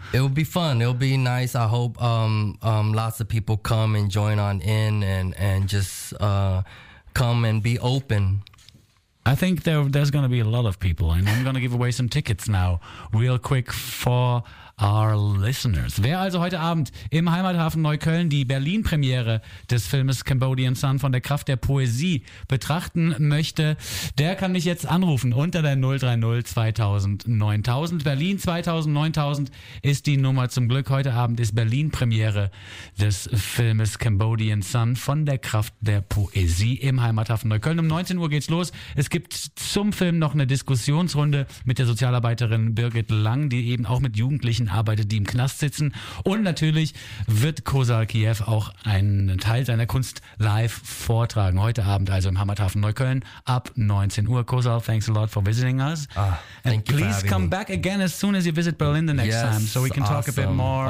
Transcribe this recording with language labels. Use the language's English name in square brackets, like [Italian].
[English] It will be fun. It will be nice. I hope lots of people come and join on in and just come and be open. I think there's going to be a lot of people, and I'm going to give away some tickets now real quick for our listeners. [German] Wer also heute Abend im Heimathafen Neukölln die Berlin-Premiere des Filmes Cambodian Sun von der Kraft der Poesie betrachten möchte, der kann mich jetzt anrufen unter der 030 2000 9000. Berlin 2000 9000 ist die Nummer. Zum Glück heute Abend ist Berlin-Premiere des Filmes Cambodian Sun von der Kraft der Poesie im Heimathafen Neukölln. Um 19 Uhr geht's los. Es gibt zum Film noch eine Diskussionsrunde mit der Sozialarbeiterin Birgit Lang, die eben auch mit Jugendlichen arbeitet, die im Knast sitzen. Und natürlich wird Kozol Kiev auch einen Teil seiner Kunst live vortragen. Heute Abend also im Heimathafen Neukölln ab 19 Uhr. [English] Kozol, thanks a lot for visiting us. And please come back again as soon as you visit Berlin the next time so we can talk a bit more.